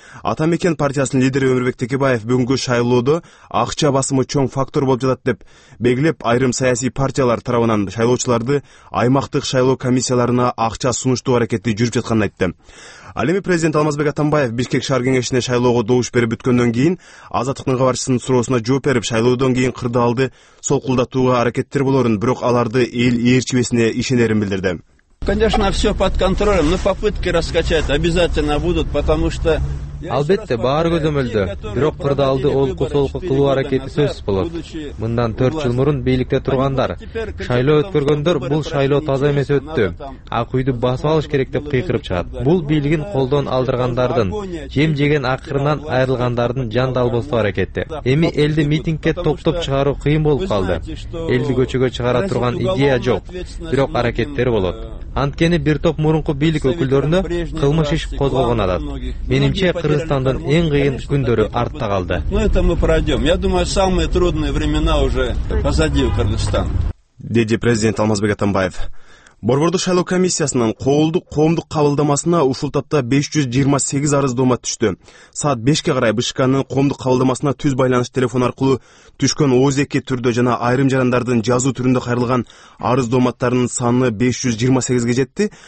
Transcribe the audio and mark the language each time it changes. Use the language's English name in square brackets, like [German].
[Kyrgyz] Ата мекен партиясынын лидери Өмүрбек Текебаев бүгүнкү шайлоодо акча басымы чоң фактор болуп жатат деп белгилеп, айрым саясий партиялар тарабынан шайлоочуларды аймактык шайлоо комиссияларына акча сунуштуу аракети жүрүп жатканын айтты. Ал эми президент Алмазбек Атамбаев Бишкек шаар кеңешине шайлоого добуш берип бүткөндөн кийин Азаттыктын кабарчысынын суроосуна жооп берип, шайлоодон кийин кырдаалды солкулдатууга аракеттер болорун, бирок аларды эл ээрчибесине ишенерин билдирди. [Russian] Конечно, все под контролем, но попытки раскачать обязательно будут, потому что [Kyrgyz] албетте, баары көзөмөлдө, бирок кырдаалды олку-солку кылуу аракети сөзсүз болот. Мындан 4 жыл мурун бийликте тургандар, шайлоо өткөргөндөр бул шайлоо таза эмес өттү, ак үйдү басып алыш керек деп кыйкырып чыгат. Бул бийлигин колдон алдыргандардын, жем жеген акырынан айрылгандардын жан далбоостуу аракети. Эми элди митингке топтоп чыгаруу кыйын болуп калды. Элди көчөгө чыгара турган идея жок, бирок аракеттер болот. Анткени бир топ мурунку бийлик өкүлдөрүнө кылмыш иш козголгон адат. Менимче, Кыргызстандын эң кыйын күндөрү артта калды. [Russian] Но это мы пройдем. Я думаю, самые трудные времена уже позади у Кыргызстана. [Kyrgyz] Деди президент Алмазбек Атамбаев. Борбордук шайлоо комиссиясынын коомдук кабылдамасына ушул тапта 528 арыздоома түштү. Саат 5 карай БШКнын коомдук кабылдамасына түз байланыш телефону аркылуу түшкөн 32 түрдө жана айрым жарандардын жазуу түрүндө кайрылган арыздооматтарынын саны 528 жетти.